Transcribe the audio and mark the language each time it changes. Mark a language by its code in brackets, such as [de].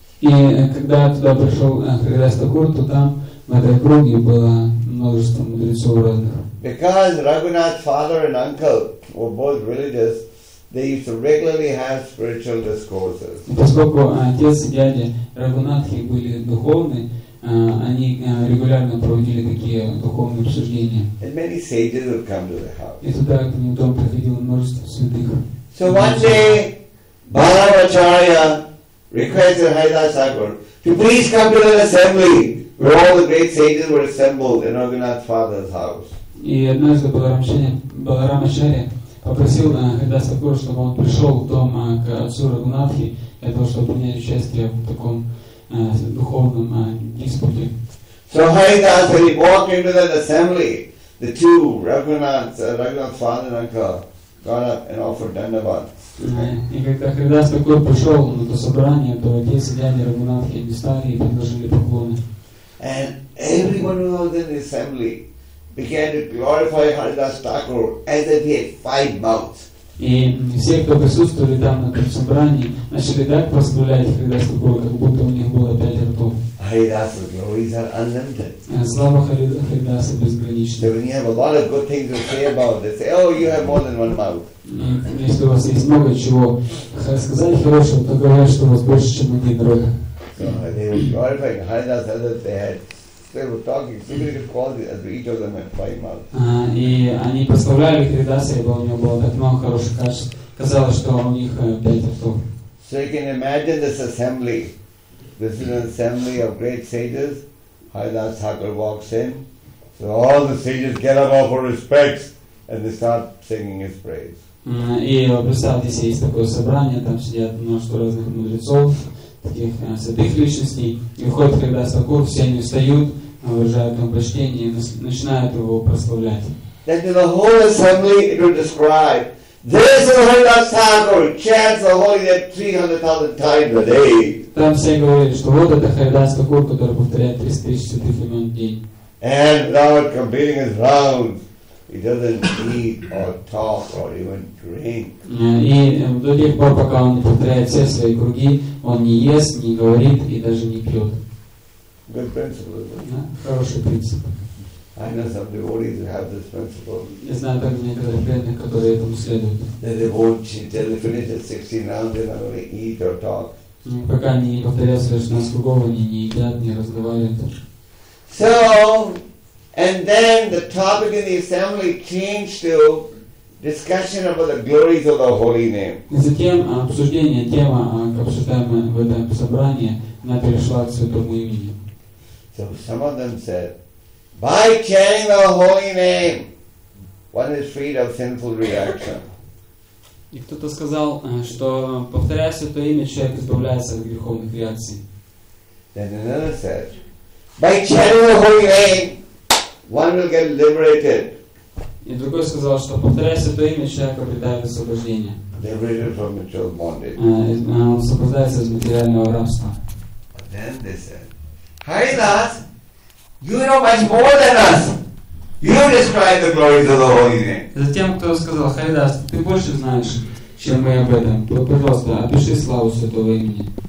[ru] И когда туда пришел Хариас Такур, то там в этой круге было множество мудрецов разных. [en] Because Raghunath's father and uncle were both religious, they used to regularly have spiritual discourses. [ru] Поскольку отец и дядя Рагунатхи были духовны, они регулярно проводили такие духовные обсуждения. [en] And many sages would come to the house. [ru] И туда к ним дом приходил множество святых. [en] So one day, Balabhacharya requested Haridas Thakur to please come to an assembly where all the great sages were assembled in Raghunath's father's house. [ru] И одно из Баларамачарья попросил Хариас Такур, чтобы он пришел в дом к отцу Рагунатхи для того, чтобы принять участие в таком духовном диспуте. [en] So Haridas, when he walked into that assembly, the two Рагунатхи's father and uncle got up and offered Dandavat. [ru] И когда Хариас Такур пришел на то собрание, то отец и дядя Рагунатхи встали и предложили поклоны. [en] And everyone who was in the assembly began to glorify Haridas Thakur as if he had five mouths. [ru] И все, кто присутствовали там на этом собрании, начали так прославлять Харидас Такура, как будто у них было пять ртов. [en] Харидаса glories are unlimited. [ru] Слава Харидаса безгранична. [en] So when you have a lot of good things to say about this, say, oh, you have more than one mouth. [ru] Если у вас есть много чего сказать хорошего, то говорят, что у вас больше, чем один рот. [en] So they were glorifying Haridas as if they had. They were talking, similar qualities as each of them had five mouths. [ru] И они прославляли Хридаса, ибо у него было так много хороших качеств. Казалось, что у них пять ртов. [en] So you can imagine this assembly. This is an assembly of great sages. Haridas Thakur walks in. So all the sages get up off for respects and they start singing his praise. [ru] И представьте, если есть такое собрание, там сидят множество разных мудрецов, таких святых личностей, и входит Хариас Такур, все они встают, выражают ему почтение и начинают его прославлять. [en] Then to the whole assembly it would describe, this is Хариас Такур, chants the holy name 300,000 times a day. [ru] Там все говорили, что вот это Хариас Такур, который повторяет 300,000 святых имен в день. [en] And without completing his rounds, he doesn't eat or talk or even drink. [ru] И до тех пор, пока он не повторяет все свои круги, он не ест, не говорит и даже не пьет. [en] Good principle, isn't it? [ru] Yeah, хороший принцип. [en] I know some devotees who have this principle. [ru] Я знаю также некоторых преданных, которые этому следуют. [en] That they won't eat till they finish at 16 rounds, they're not going to eat or talk. [ru] Пока они не повторяют свои 16 кругов, они не едят, не разговаривают. [en] So, and then the topic in the assembly changed to discussion about the glories of the holy name. [ru] И затем обсуждение тема, обсуждаемая в этом собрании, она перешла к святому имени. [en] So some of them said, by chanting the holy name, one is freed of sinful reaction. [ru] И кто-то сказал, что повторяя святое имя, человек избавляется от греховных реакций. [en] Then another said, by chanting the holy name, one will get liberated. [ru] И другой сказал, что повторяя святое имя, человек обретает освобождение. [en] Liberated from material bondage. [ru] Он освобождается из материального рабства. [en] Then they said, Haridas, you know much more than us. You describe the glories of the holy name. [ru] Затем кто сказал, Haridas, ты больше знаешь, чем мы об этом. Пожалуйста, опиши славу святого имени.